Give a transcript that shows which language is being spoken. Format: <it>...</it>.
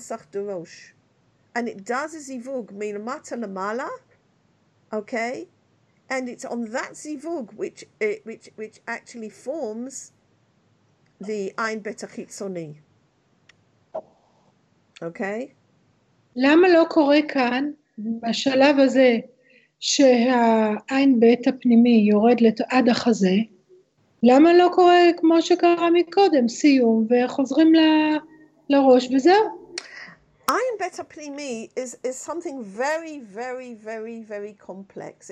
<en>D'Rosh, and it does a Zivug Milamata Lamala, okay, and it's on that Zivug which actually forms the Ein Beit HaChitzoni. Okay.</en> <he>למה לא קורה כאן בשלב הזה שהעין בית הפנימי יורד עד החזה? למה לא קורה כמו שקרה מקודם, סיום וחוזרים לראש וזהו?</he> <en>Ein Beit HaPnimi is something very, very, very, very complex.</en>